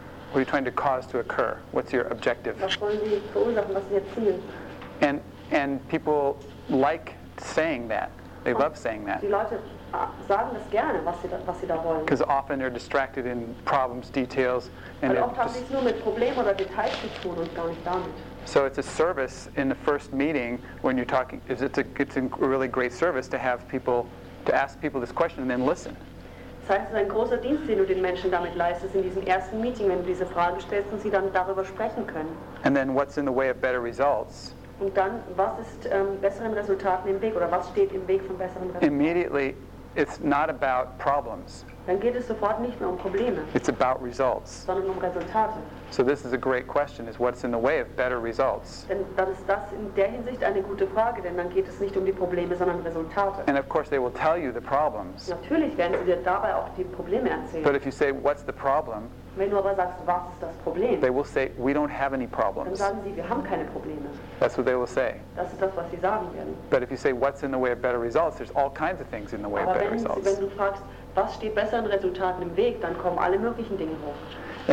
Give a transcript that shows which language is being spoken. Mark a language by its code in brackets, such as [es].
[en] What are you trying to cause to occur? What's your objective? [de] Was wollen Sie verursachen? Was ist Ihr Ziel? [en] And people like saying that. They love saying that. [de] Die Leute sagen das gerne, was sie da wollen. [en] Because often they're distracted in problems, details, and [de] oft haben sie es nur mit Problemen oder Details zu tun und gar nicht damit. [en] So it's a service in the first meeting when you're talking. It's a really great service to have people to ask people this question and then listen. [de] Das heißt, es ist ein großer Dienst, den du den Menschen damit leistest in diesem ersten Meeting, wenn du diese Frage stellst und sie dann darüber sprechen können. [en] And then what's in the way of better results? [de] Und dann, was ist besseren Resultaten im Weg oder was steht im Weg von besseren Resultaten? [en] Immediately, it's not about problems. [de] Dann geht es sofort nicht mehr um Probleme. [en] It's about results. [de] Sondern um Resultate. [en] So this is a great question, is what's in the way of better results. [de] Denn dann ist das in der Hinsicht eine gute Frage, denn dann geht es nicht um die Probleme, sondern Resultate. [en] And of course they will tell you the problems. [de] Natürlich werden sie dir dabei auch die Probleme erzählen. [en] But if you say, what's the problem? [de] Wenn du aber sagst, was ist das Problem? [en] They will say, we don't have any problems. [de] Dann sagen sie, wir haben keine Probleme. [en] That's what they will say. [de] Das ist das, was sie sagen werden. [en] But if you say, what's in the way of better results, there's all kinds of things in the way [de] aber [en] of better results. [de] Aber wenn du fragst, was steht besseren Resultaten im Weg, dann kommen alle möglichen Dinge hoch.